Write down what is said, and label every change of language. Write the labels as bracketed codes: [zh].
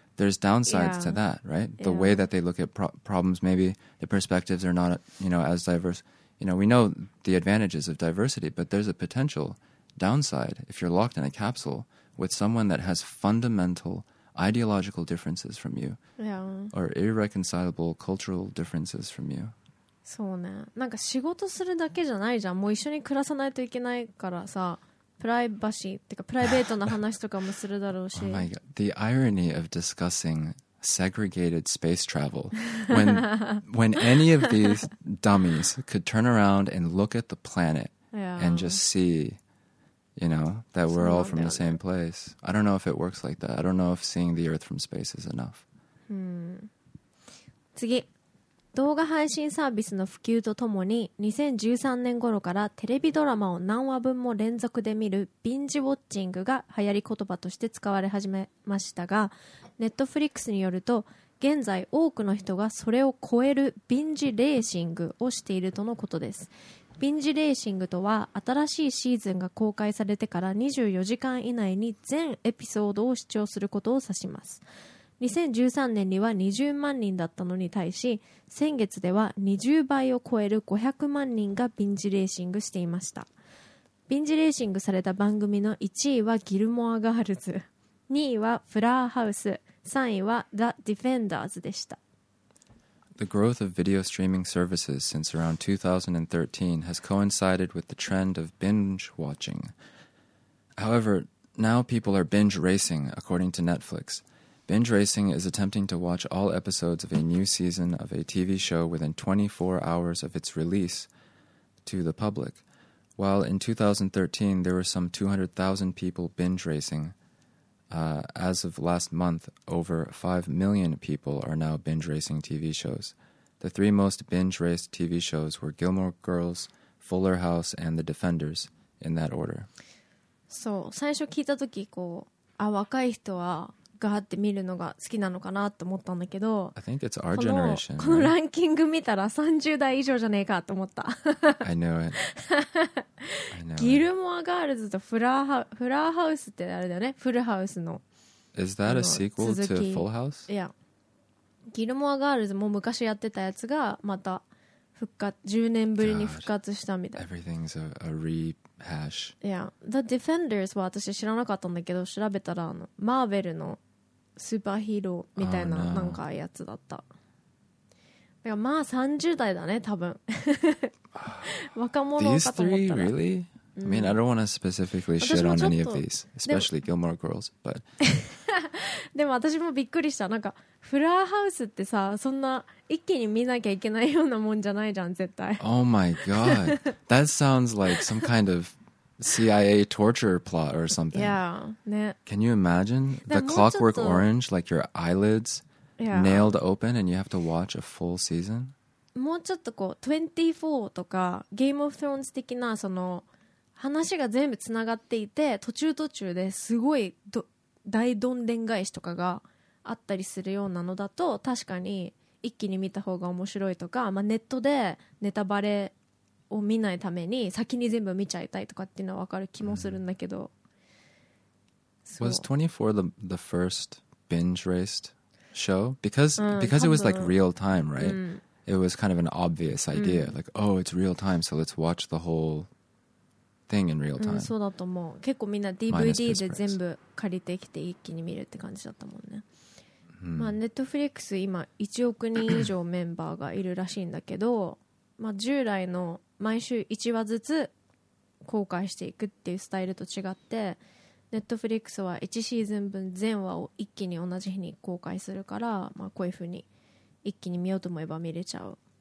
[en] There's downsides to that, right? The way that they look at problems, maybe the perspectives are not, you know, as diverse. You know, we know the advantages of diversity, but there's a potential downside if you're locked in a capsule. with someone that has fundamental ideological differences from you or irreconcilable cultural differences from you. [ja] そうね。なんか仕事するだけじゃないじゃん。もう一緒に暮らさないといけないからさ。プライバシーってかプライベートな話とかもするだろうし。 [en] Oh my God. The irony of discussing segregated space travel when, when any of these dummies could turn around and look at the planet and just see, you know, that we're all from the same place. I don't know if it works like that. I don't know if seeing the Earth from space is enough. [ja] 次。動画配信サービスの普及とともに2013年頃からテレビドラマを何話分も連続で見るビンジウォッチングが流行り言葉として使われ始めましたが、ネットフリックスによると現在多くの人がそれを超えるビンジレーシングをしているとのことです。ビンジレーシングとは新しいシーズンが公開されてから24時間以内に全エピソードを視聴することを指します。 2013年には20万人だったのに対し、先月では20倍を超える500万人がビンジレーシングしていました。ビンジレーシングされた番組の1位はギルモアガールズ、2位はフラーハウス、3位はザ・ディフェンダーズでした。 [en] The growth of video streaming services since around 2013 has coincided with the trend of binge watching. However, now people are binge racing, according to Netflix. Binge racing is attempting to watch all episodes of a new season of a TV show within 24 hours of its release to the public. While in 2013, there were some 200,000 people binge racing, as of last month, over 5 million people are now binge racing TV shows. The three most binge raced TV shows were Gilmore Girls, Fuller House, and The Defenders, in that order. [ja] So, 最初聞いた時、こう、あ、若い人はガーって見るのが好きなのかなと思ったんだけど、 [en] I think it's our generation, [ja] このランキング見たら30代以上じゃねえかと思った。 [en] I know it. [ja] ギルモアガールズとフラーハウスってあれだよね、フルハウスの。 [en] Is that a sequel to Full House? [ja] いや、ギルモアガールズも昔やってたやつがまた復活、10年ぶりに復活したみたいな。 [en] Everything's a rehash. [ja] Yeah. The Defenders は私知らなかったんだけど、調べたらあのマーベルのスーパーヒーローみたいな、 [en] oh, no. [ja] なんかやつだった。だからまあ30代だね、多分。若者かと思ったら。 [en] These three, really? I mean, I don't want to specifically shit on any of these, especially Gilmore Girls, but... [ja] でも私もびっくりした。なんか、フラーハウスってさ、そんな一気に見なきゃいけないようなもんじゃないじゃん、絶対。 [en] Oh my god. That sounds like some kind of CIA torture plot or something. Yeah, ね。 Can you imagine? The Clockwork Orange, like your eyelids nailed open and you have to watch a full season? [ja] もうちょっとこう、24とか Game of Thrones 的なその話が全部つながっていて、途中途中ですごい大どんでん返しとかがあったりするようなのだと、確かに一気に見た方が面白いとか、まあ、ネットでネタバレを見ないために先に全部見ちゃいたいとかっていうのは分かる気もするんだけど、 [en] mm-hmm. Was 24 the first binge raced show? Because,、mm-hmm. because it was like real time, right?、Mm-hmm. It was kind of an obvious idea、mm-hmm. like, oh, it's real time, so let's watch the whole... thing in real time. [ja] そうだと思う。結構みんな DVD で全部借りてきて一気に見るって感じだったもんね。まあ Netflix 今1億人以上メンバーがいるらしいんだけど、まあ従来の毎週1話ずつ公開していくっていうスタイルと違って、Netflix は1シーズン分全話を一気に同じ日に公開するから、まあこういう風に一気に見ようと思えば見れちゃう